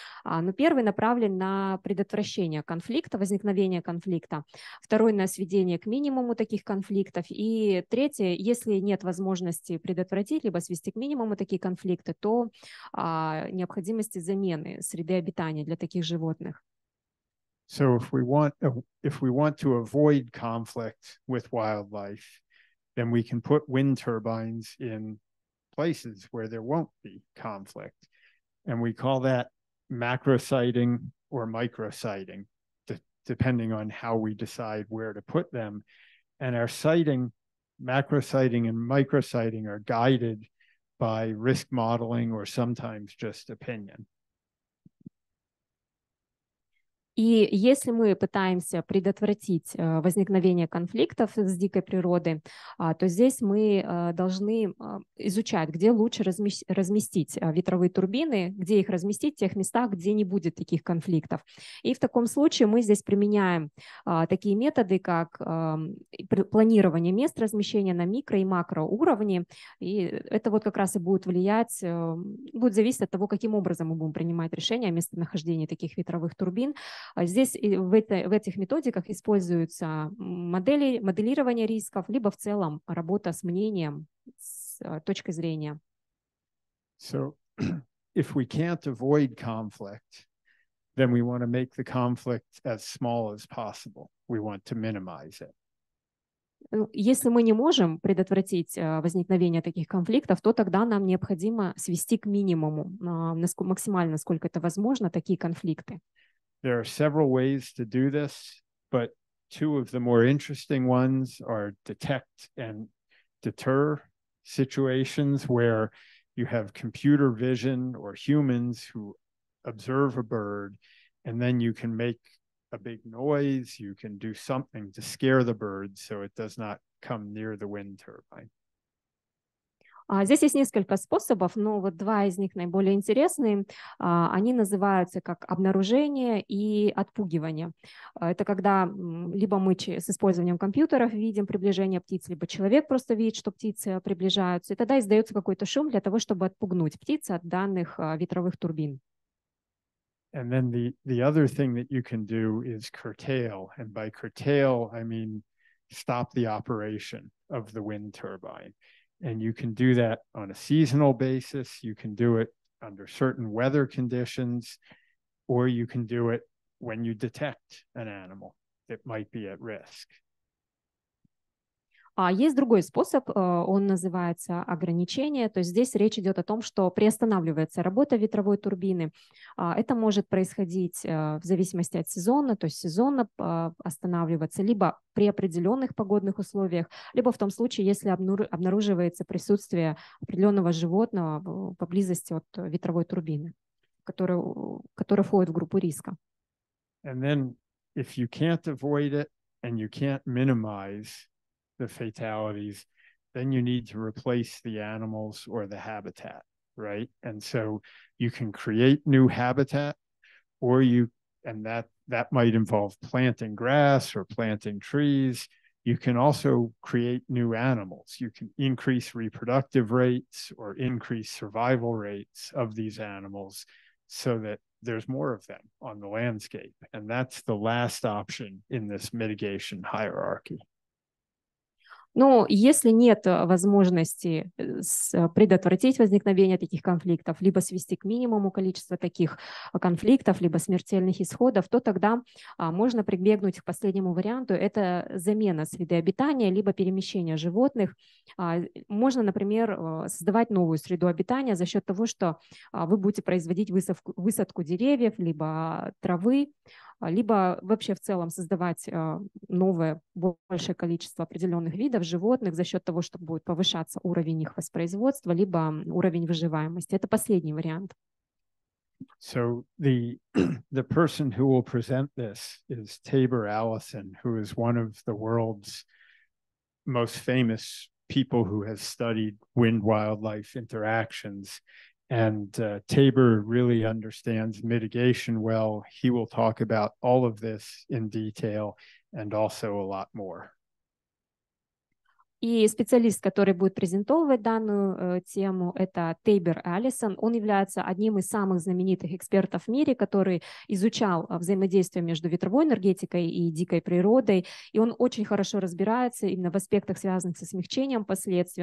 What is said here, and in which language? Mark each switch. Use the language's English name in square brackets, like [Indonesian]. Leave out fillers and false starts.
[Russian] Ну, первый направлен на предотвращение конфликта, возникновение конфликта. Второй на сведение к минимуму таких конфликтов. И третье, если нет возможности предотвратить либо свести к минимуму такие конфликты, то необходимости замены среды обитания для таких животных. [English] So if we want to avoid conflict with wildlife, then we can put wind turbines in places where there won't be conflict. And we call that macro-siting or micro-siting, depending on how we decide where to put them. And our siting, macro-siting and micro-siting are guided by risk modeling or sometimes just opinion. [Russian] И если мы пытаемся предотвратить возникновение конфликтов с дикой природой, то здесь мы должны изучать, где лучше разместить ветровые турбины, где их разместить в тех местах, где не будет таких конфликтов. И в таком случае мы здесь применяем такие методы, как планирование мест размещения на микро- и макроуровне. И это вот как раз и будет влиять, будет зависеть от того, каким образом мы будем принимать решение о местонахождении таких ветровых турбин. Здесь в этих методиках используются модели моделирования рисков, либо в целом работа с мнением, с точкой зрения. [English] So, if we can't avoid conflict, then we want to make the conflict as small as possible. We want to minimize it. [Russian] Если мы не можем предотвратить возникновение таких конфликтов, то тогда нам необходимо свести к минимуму, максимально, насколько это возможно, такие конфликты. [English] There are several ways to do this, but two of the more interesting ones are detect and deter situations where you have computer vision or humans who observe a bird, and then you can make a big noise, you can do something to scare the bird so it does not come near the wind turbine. [Russian] Здесь есть несколько способов, но вот два из них наиболее интересные. Они называются как обнаружение и отпугивание. Это когда либо мы с использованием компьютеров видим приближение птиц, либо человек просто видит, что птицы приближаются, и тогда издается какой-то шум для того, чтобы отпугнуть птиц от данных ветровых турбин. [English] And then the other thing that you can do is curtail. And by curtail, I mean stop the operation of the wind turbine. And you can do that on a seasonal basis, you can do it under certain weather conditions, or you can do it when you detect an animal that might be at risk. [Russian] А есть другой способ, он называется ограничение. То есть здесь речь идет о том, что приостанавливается работа ветровой турбины. Это может происходить в зависимости от сезона, то есть сезонно останавливаться либо при определенных погодных условиях, либо в том случае, если обнаруживается присутствие определенного животного поблизости от ветровой турбины, которая входит в группу риска. [English] And then if you can't avoid it and you can't minimize the fatalities, then you need to replace the animals or the habitat, right? And so you can create new habitat, or you, and that might involve planting grass or planting trees. You can also create new animals. You can increase reproductive rates or increase survival rates of these animals so that there's more of them on the landscape. And that's the last option in this mitigation hierarchy. [Russian] Но если нет возможности предотвратить возникновение таких конфликтов, либо свести к минимуму количество таких конфликтов, либо смертельных исходов, то тогда можно прибегнуть к последнему варианту. Это замена среды обитания, либо перемещение животных. Можно, например, создавать новую среду обитания за счет того, что вы будете производить высадку деревьев, либо травы, либо вообще в целом создавать новое, большее количество определенных видов животных за счет того, что будет повышаться уровень их воспроизводства, либо уровень выживаемости. Это последний вариант. [English] So the person who will present this is Tabor Allison, who is one of the world's most famous people who has studied wind-wildlife interactions. And Tabor really understands mitigation well. He will talk about all of this in detail and also a lot more. [Russian] И специалист, который будет презентовать данную тему, это Тейбер Аллисон. Он является одним из самых знаменитых экспертов в мире, который изучал взаимодействие между ветровой энергетикой и дикой природой. И он очень хорошо разбирается именно в аспектах, связанных со смягчением последствий.